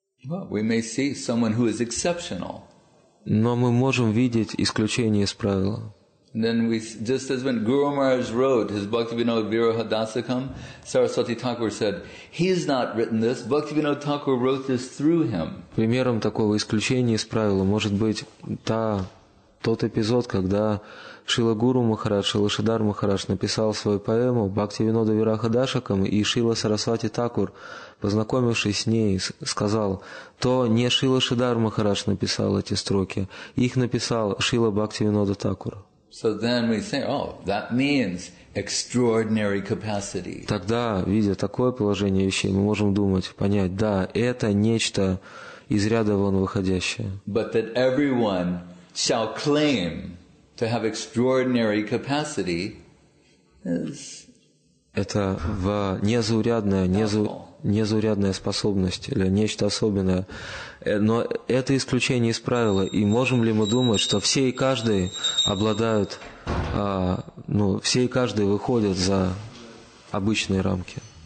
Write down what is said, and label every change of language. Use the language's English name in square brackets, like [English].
[English] Well, we may see someone who is exceptional. [Russian] Но мы можем видеть исключение из правила. [English] And then we, just as when Guru Maharaj wrote his Bhaktivinoda Viraha Dasakam, Saraswati Thakur said, he's not written this, Bhaktivinoda Thakur wrote this through him. [Russian] Примером такого исключения из правила может быть тот эпизод, когда Шрила Гуру Махарадж, Шрила Шридхар Махарадж написал свою поэму Бхактивинода Вираха Дашакам, и Шрила Сарасвати Такур, познакомившись с ней, сказал, то не Шрила Шридхар Махарадж написал эти строки, их написал Шрила Бхактивинода Такур. [English] So then we say, oh, that means extraordinary capacity. [Russian] Тогда, видя такое положение вещей, мы можем думать, понять, да, это нечто из ряда вон выходящее. [English] But that everyone shall claim to have extraordinary capacity is [Russian] это в незаурядная способность или нечто особенное. Но это исключение из правила. И можем ли мы думать, что все и каждый обладают, ну, все и каждый выходят за обычные рамки?